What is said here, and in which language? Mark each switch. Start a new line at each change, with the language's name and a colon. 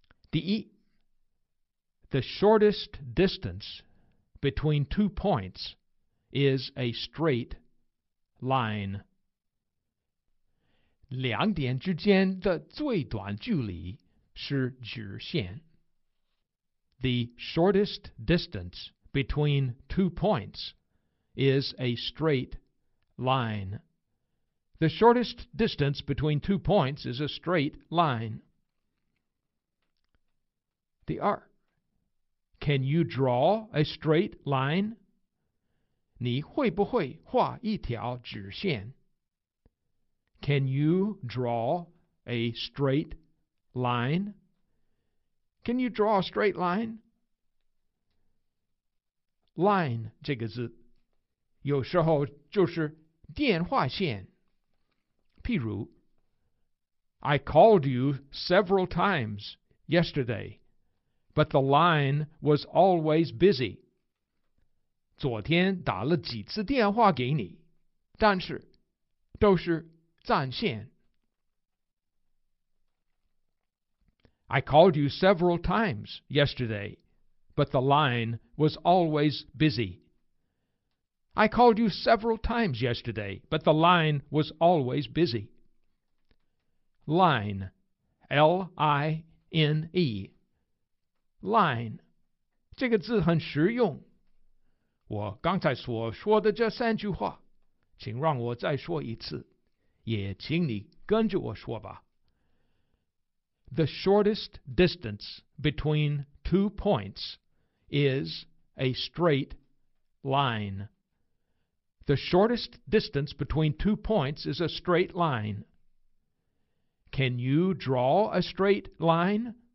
Chinese: 第一，
English: The shortest distance between two points is a straight line.
Chinese: 两点之间的最短距离是直线。
English: The shortest distance between two points is a straight line. The shortest distance between two points is a straight line.
Chinese: 第二，
English: Can you draw a straight line?
Chinese: 你会不会画一条直线？
English: Can you draw a straight line? Can you draw a straight line?
Chinese: Line 这个字，有时候就是电话线。譬如
English: I called you several times yesterday, but the line was always busy.
Chinese: 昨天打了几次电话给你，但是都是占线。
English: I called you several times yesterday, but the line was always busy. I called you several times yesterday, but the line was always busy. Line, L-I-N-E.
Chinese: Line, 这个字很实用。我刚才所说的这三句话，请让我再说一次，也请你跟着我说吧。
English: The shortest distance between two points is a straight line. The shortest distance between two points is a straight line. Can you draw a straight line?